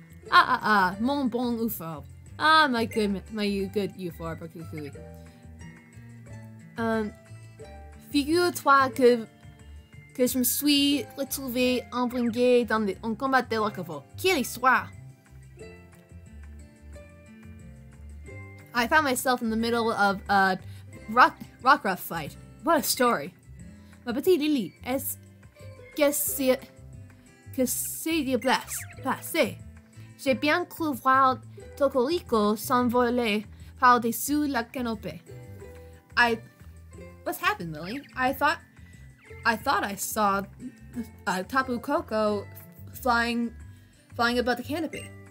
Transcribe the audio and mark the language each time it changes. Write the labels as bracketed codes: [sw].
[fr] Ah, mon bon UFO. [en] Ah, my good UFO, Bukukui. [fr] Figure-toi que je me suis retrouvé embringué dans un combat de locavo. Quelle histoire! [en] I found myself in the middle of a rock fight. What a story. [fr] Ma petite Lily, qu'est-ce qui se passe? J'ai bien cru voir Tocorico s'envoler par-dessus la canopée. [en] What's happened, Lily? I thought I saw Tapu Koko flying above the canopy.